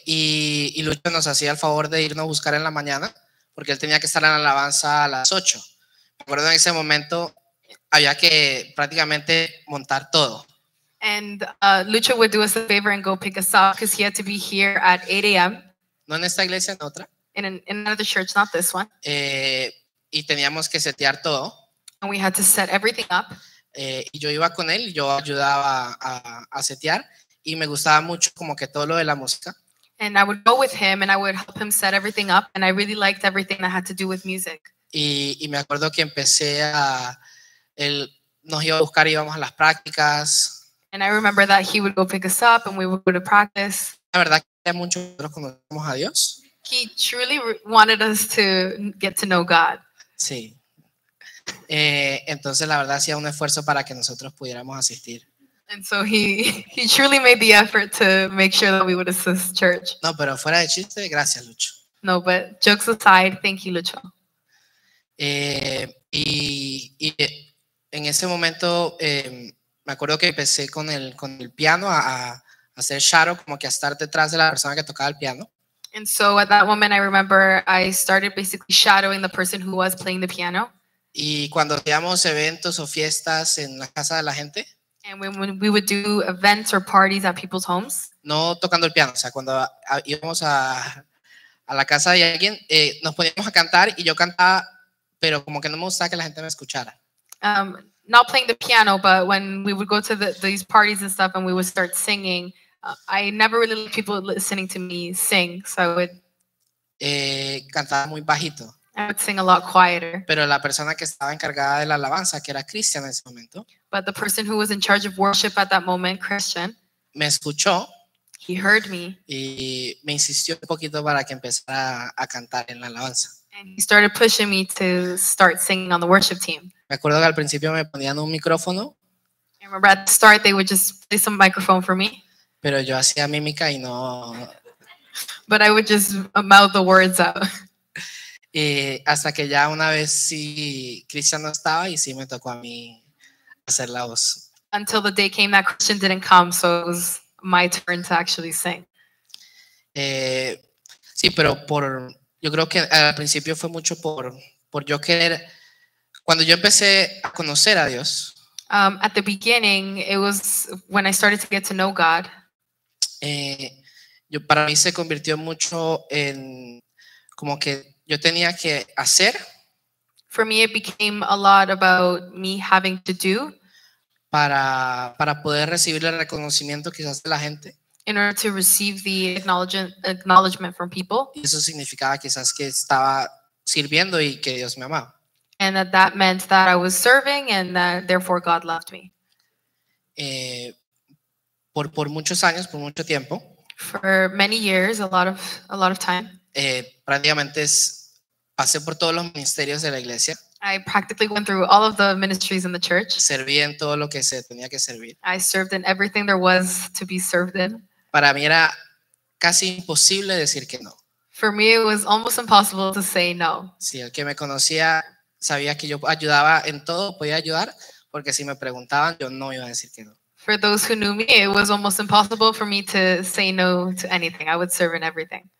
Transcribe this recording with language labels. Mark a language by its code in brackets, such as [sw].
[es] Y Lucho nos hacía el favor de irnos a buscar en la mañana, porque él tenía que estar en la alabanza a las 8. Recuerdo en ese momento había que prácticamente montar todo. [en] And Lucho would do us a favor and go pick us up because he had to be here at 8 a.m. [es] No en esta iglesia, en otra. [en] In another church, not this one. [es] Y teníamos que setear todo. [en] And we had to set everything up. [es] Y yo iba con él y yo ayudaba a setear y me gustaba mucho como que todo lo de la música. [en] And I would go with him and I would help him set everything up and I really liked everything that had to do with music. [es] Y me acuerdo que empecé a él nos iba a buscar y íbamos a las prácticas. [en] And I remember that he would go pick us up and we would go to practice. [es] La verdad que era mucho que nosotros conocíamos a Dios. [en] He truly wanted us to get to know God. [es] Sí. Entonces la verdad hacía un esfuerzo para que nosotros pudiéramos asistir. [en] And so he truly made the effort to make sure that we would assist church. [es] No, pero fuera de chiste, gracias, Lucho. [en] No, but jokes aside, thank you, Lucho. [es] Y en ese momento me acuerdo que empecé con el piano a hacer shadow, como que a estar detrás de la persona que tocaba el piano. [en] And so at that moment, I remember I started basically shadowing the person who was playing the piano. [es] Y cuando hacíamos eventos o fiestas en la casa de la gente. [en] And when we would do events or parties at people's homes. [es] No tocando el piano, o sea, cuando íbamos a la casa de alguien, nos poníamos a cantar y yo cantaba, pero como que no me gustaba que la gente me escuchara. [en] Not playing the piano, but when we would go to these parties and stuff and we would start singing, I never really liked people listening to me sing, so I would [es] cantaba muy bajito. [en] I would sing a lot quieter. [es] Pero la persona que estaba encargada de la alabanza, que era Christian en ese momento. [en] But the person who was in charge of worship at that moment, Christian. [es] Me escuchó. [en] He heard me. [es] Y me insistió un poquito para que empezara a cantar en la alabanza. [en] And he started pushing me to start singing on the worship team. [es] Me acuerdo que al principio me ponían un micrófono. [en] I remember at the start they would just play some microphone for me. [es] Pero yo hacía mímica y no. [en] But I would just mouth the words out. [es] Hasta que ya una vez sí, Christian no estaba y sí me tocó a mí hacer la voz. [en] Until the day came that Christian didn't come, so it was my turn to actually sing. [es] Sí, pero por, yo creo que al principio fue mucho por yo querer, cuando yo empecé a conocer a Dios. [en] At the beginning, it was when I started to get to know God. [es] Yo, para mí se convirtió mucho en como que yo tenía que hacer. [en] For me, it became a lot about me having to do. [es] Para poder recibir el reconocimiento quizás de la gente. [en] In order to receive the acknowledgement from people. [es] Y eso significaba quizás que estaba sirviendo y que Dios me amaba. [en] And that meant that I was serving and that therefore God loved me. [es] Por muchos años, por mucho tiempo. [en] For many years, a lot of time. [es] Prácticamente pasé por todos los ministerios de la iglesia. [en] I practically went through all of the ministries in the church. [es] Serví en todo lo que se tenía que servir. [en] I served in everything there was to be served in. [es] Para mí era casi imposible decir que no. [en] For me, it was almost impossible to say no. [es] Sí, el que me conocía sabía que yo ayudaba en todo, podía ayudar, porque si me preguntaban, yo no iba a decir que no. [en] For those who knew me, it was almost impossible for me to say no to anything. I would serve in everything.